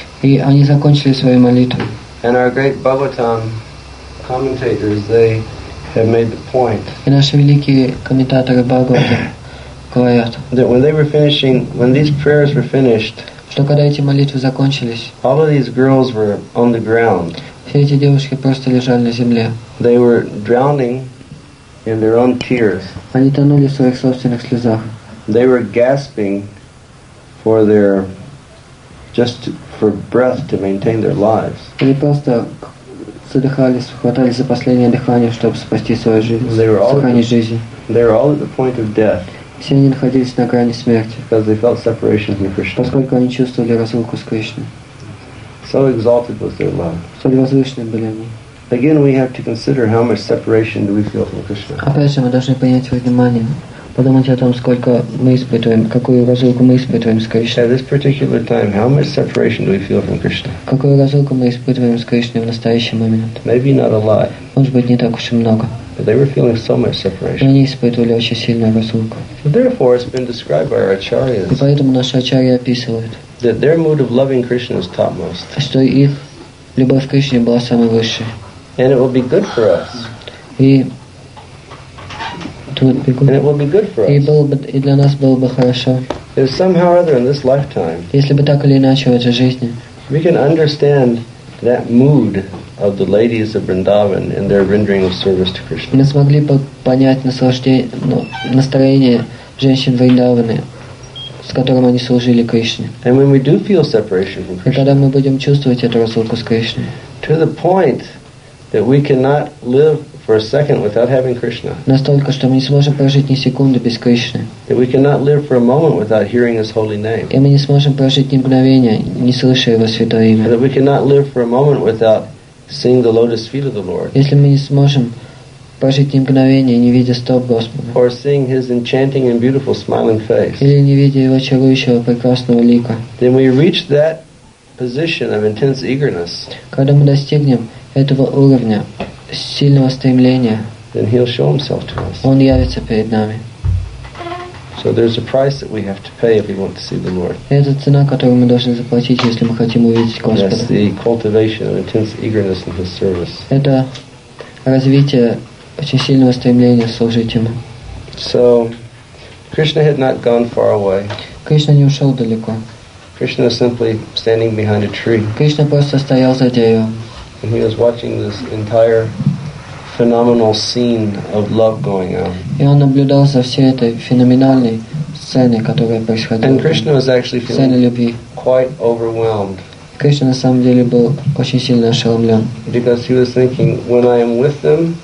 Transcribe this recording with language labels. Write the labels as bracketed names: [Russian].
[Russian] И они закончили свою молитву. [English] And our great Bhagavatam commentators, they have made the point. [Russian] И наши великие комментаторы Бхагавата говорят. [English] That when they were finishing, when these prayers were finished. [Russian] Что когда эти молитвы закончились. [English] All of these girls were on the ground. [Russian] Все эти девушки просто лежали на земле. [English] They were drowning in their own tears. [Russian] Они тонули в своих собственных слезах. [English] They were gasping for their for breath to maintain their lives. [Russian] Они просто задыхались, хватались за последнее дыхание, чтобы спасти свою жизнь, жизнь. [English] They were all at the point of death. [Russian] Все они находились на грани смерти. [English] Because they felt separation from Krishna. [Russian] Поскольку они чувствовали разлуку с Кришной. [English] So exalted was their love. [Russian] Столь возвышенными были они. [English] Again, we have to consider how much separation do we feel from Krishna. [Russian] Опять же, мы должны принять во внимание. Подумайте о том, сколько мы испытываем, какую разлуку мы испытываем с Кришной. [English] At this particular time, how much separation do we feel from Krishna? [Russian] Какую разлуку мы испытываем с Кришной в настоящий момент? [English] Maybe not a lot. [Russian] Может быть, не так уж и много. [English] But they were feeling so much separation. [Russian] И они испытывали очень сильную разлуку. [English] Therefore, it's been described by our acharyas. [Russian] И поэтому наши ачарьи описывают. [English] That their mood of loving Krishna is topmost. [Russian] Что их любовь к Кришне была самой высшей. [English] And it will be good for us. And it will be good for us. [Russian] И для нас было бы хорошо. [English] If somehow or other in this lifetime, [Russian] если бы так или иначе в этой жизни, [English] we can understand that mood of the ladies of Vrindavan in their rendering of service to Krishna. [Russian] Мы смогли бы понять настроение женщин Вриндаваны, с которым они служили Кришне. [English] And when we do feel separation from Krishna, [Russian] и когда мы будем чувствовать эту разлуку с Кришной, [English] to the point that we cannot live for a second without having Krishna. [Russian] Настолько, что мы не сможем прожить ни секунды без Кришны. [English] That we cannot live for a moment without hearing His holy name. [Russian] И мы не сможем прожить ни мгновения, не слыша Его святое имя. [English] That we cannot live for a moment without seeing the lotus feet of the Lord. [Russian] Если мы не сможем прожить мгновение, не видя стоп Господа. [English] Or seeing his enchanting and beautiful smiling face. [Russian] Или не видя его чарующего прекрасного лика. [English] Then we reach that position of intense eagerness. [Russian] Когда мы достигнем этого уровня сильного стремления, [English] then he'll show himself to us. [Russian] Он явится перед нами. [English] So there's a price that we have to pay if we want to see the Lord. [Russian] Это цена, которую мы должны заплатить, если мы хотим увидеть Господа. [English] That's the cultivation of intense eagerness in His service. [Russian] Это развитие очень сильного стремления служить Ему. [English] So Krishna had not gone far away. [Russian] Кришна не ушел далеко. [English] Krishna was simply standing behind a tree. [Russian] Кришна просто стоял за деревом. [English] And he was watching this entire phenomenal scene of love going on. [Russian] И он наблюдал за всей этой феноменальной сценой, которая происходила. [English] And Krishna was actually feeling quite overwhelmed. [Russian] Кришна на самом деле был очень сильно ошеломлен. [English] Because he was thinking, when I am with them,